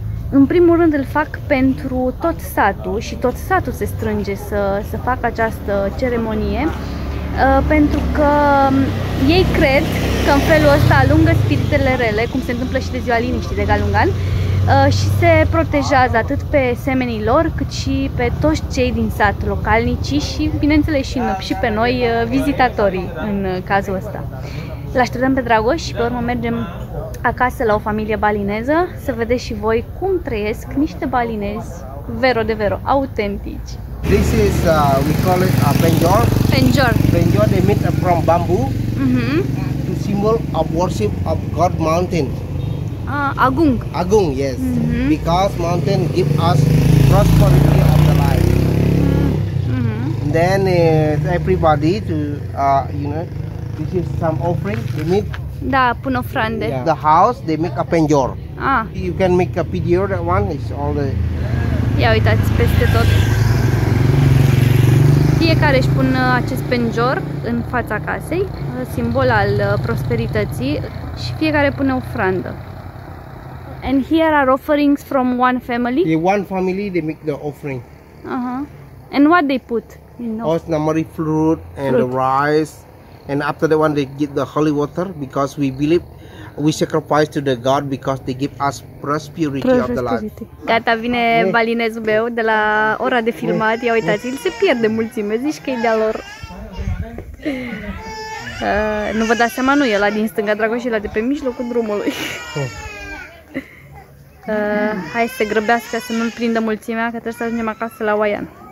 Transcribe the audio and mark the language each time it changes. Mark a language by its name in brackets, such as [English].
[Romanian] În primul rând îl fac pentru tot satul și tot satul se strânge să facă această ceremonie, pentru că ei cred că în felul ăsta alungă spiritele rele, cum se întâmplă și de ziua liniștii de Galungan, și se protejează atât pe semenii lor, cât și pe toți cei din sat, localnicii și, bineînțeles, și pe noi, vizitatorii, în cazul ăsta. Îl așteptăm pe Dragos și pe urmă mergem acasă la o familie balineză să vedeți și voi cum trăiesc niște balinezi vero de vero, autentici. [English] This is, we call it a penjor. Penjor. Penjor, they made from bamboo, mm-hmm, to symbol of worship of God mountain. Agung. Agung, yes. Mm-hmm. Because mountain give us prosperity of the life. Mm-hmm. Then everybody to, you know, this is some offering they make. [Romanian] Da, pun ofrande. Yeah. [English] The house, they make a penjor. Ah. You can make a penjor, that one is all the [Romanian] Ia uitați peste tot. Fiecare își pun acest penjor în fața casei, simbol al prosperității, și fiecare pune o ofrandă. [English] And here are offerings from one family. The one family they make the offering. Uh-huh. And what they put in the offering? Osnamari fruit and fruit. The rice. And after that one they get the holy water, because we believe we sacrifice to the God because they give us prosperity, prosperity of the life. [Romanian] Gata, vine balinezul meu de la ora de filmat. Ia uitați, îl se pierde mulțime, zici că e de-a lor. Nu vă dați seama, nu e la din stânga, Dragos, și la de pe mijlocul drumului. Hai să grăbească să nu-l prindă mulțimea, că trebuie să ajungem acasă la Oian.